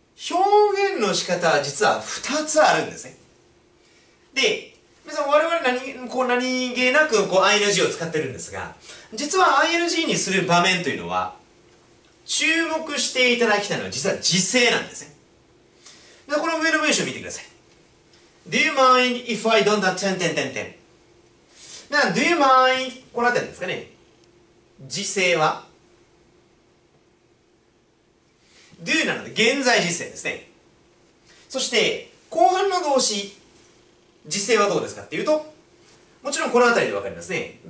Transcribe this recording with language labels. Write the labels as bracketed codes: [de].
[ja] 表現の仕方は実は二つあるんですね。で、皆さん我々何気なくこう ING を使ってるんですが、実は ING にする場面というのは、注目していただきたいのは実は時制なんですね。で、この上の文章を見てください。 [en] Do you mind if I don't attend? [ja] 点点点。な、 Do you mind? このあたりですかね。時制は、do なので現在時制ですね。そして後半の動詞、時制はどうですかっていうと、もちろんこのあたりでわかりますね。